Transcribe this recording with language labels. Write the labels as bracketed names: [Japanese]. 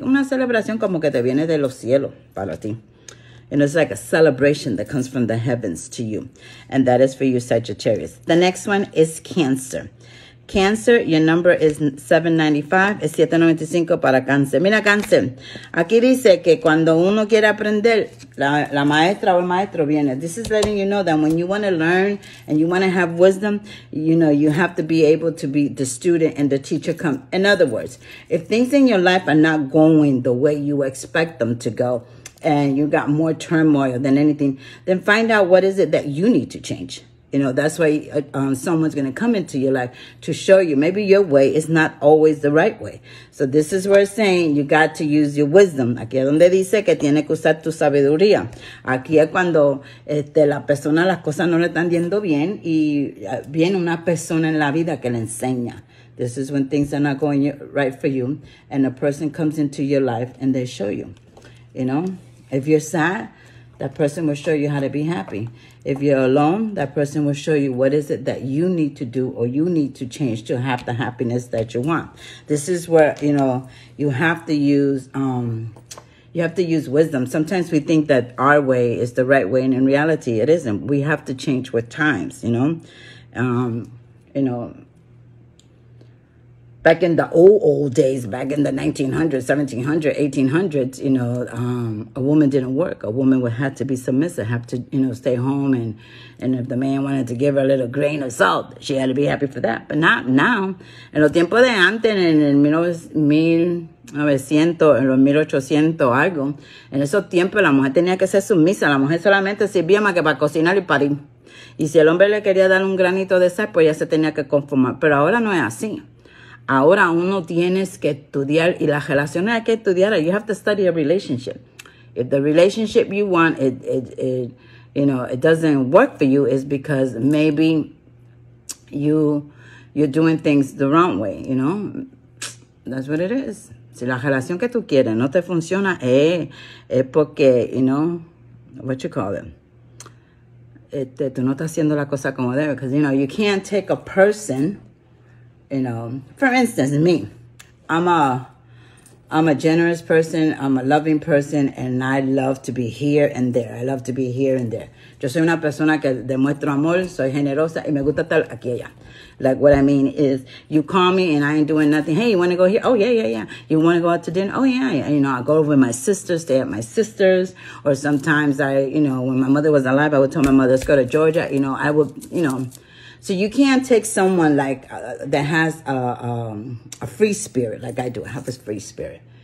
[Spanish] Una celebración como que te viene de los cielos para ti. [English] And it's like a celebration that comes from the heavens to you. And that is for you, Sagittarius. The next one is Cancer. Cancer, your number is 795. [Spanish] Es 795 para Cáncer. Mira, Cáncer. Aquí dice que cuando uno quiere aprender, la maestra o el maestro viene. [English] This is letting you know that when you want to learn and you want to have wisdom, you know, you have to be able to be the student and the teacher come. In other words, if things in your life are not going the way you expect them to go, and you got more turmoil than anything, then find out what is it that you need to change. You know, that's why someone's going to come into your life to show you maybe your way is not always the right way. So this is where it's saying you got to use your wisdom. [Spanish] Aquí es donde dice que tiene que usar tu sabiduría. Aquí es cuando la persona, las cosas no le están yendo bien y viene una persona en la vida que le enseña. [English] This is when things are not going right for you and a person comes into your life and they show you, you know. If you're sad, that person will show you how to be happy. If you're alone, that person will show you what is it that you need to do or you need to change to have the happiness that you want. This is where, you know, you have to use wisdom. Sometimes we think that our way is the right way, and in reality, it isn't. We have to change with times, you know. Back in the old days, back in the 1900s, 1700s, 1800s, you know, a woman didn't work. A woman would have to be submissive, have to, you know, stay home. And if the man wanted to give her a little grain of salt, she had to be happy for that. But not now. [Spanish] En los tiempos de antes, en el 1900, en los 1800 algo, en esos tiempos la mujer tenía que ser sumisa. La mujer solamente servía más que para cocinar y parir. Y si el hombre le quería dar un granito de sal, pues ya se tenía que conformar. Pero ahora no es así. Ahora uno tienes que estudiar y las relaciones hay que estudiar. [English] You have to study a relationship. If the relationship you want, it doesn't work for you, is because maybe you're doing things the wrong way, you know. That's what it is. [Spanish] Si la relación que tú quieres no te funciona, es porque, [English] you know, what you call it. [Spanish] Tú no estás haciendo la cosa como debe. [English] Because, you know, you can't take a person. You know, for instance, me, I'm a generous person, I'm a loving person, and I love to be here and there. I love to be here and there. [Spanish] Yo soy una persona que demuestro amor, soy generosa, y me gusta estar aquí allá. [English] Like, what I mean is, you call me and I ain't doing nothing. Hey, you want to go here? Oh, yeah, yeah, yeah. You want to go out to dinner? Oh, yeah, yeah. You know, I go over with my sister, stay at my sister's. Or sometimes I, you know, when my mother was alive, I would tell my mother, let's go to Georgia. You know, I would, you know. So you can't take someone like that has a free spirit, like I do. I have a free spirit.